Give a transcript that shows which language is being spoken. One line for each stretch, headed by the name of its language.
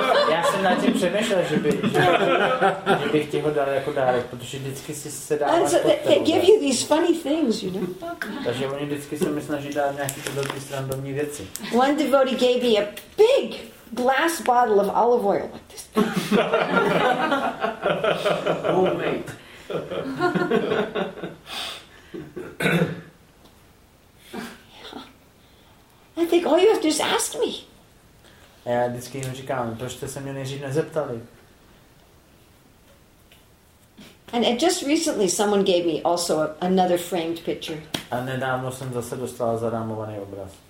Czech: Já jsem na tím přemýšlel, že bych ti ho dal jako dárek, protože vždycky si se dává.
English: So they give you these funny things, you know.
Czech: Takže oni vždycky se mi snaží dát nějaký velký srandovní věci.
English: One devotee gave me a big glass bottle of olive oil like this. Oh, mate. I think all you have to just ask me.
Czech: Já vždycky jim říkám, proč jste se mě nejdřív nezeptali?
English: And just recently someone gave me also another framed picture.
Czech: A nedávno jsem zase dostal zarámovaný obraz.